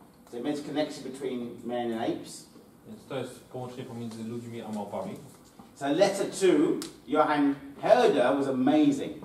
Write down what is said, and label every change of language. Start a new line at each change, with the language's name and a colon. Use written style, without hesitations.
English: So it makes connection between men and apes.
Polish: Więc to jest połączenie pomiędzy ludźmi a małpami.
English: So letter to Johann Herder was amazing.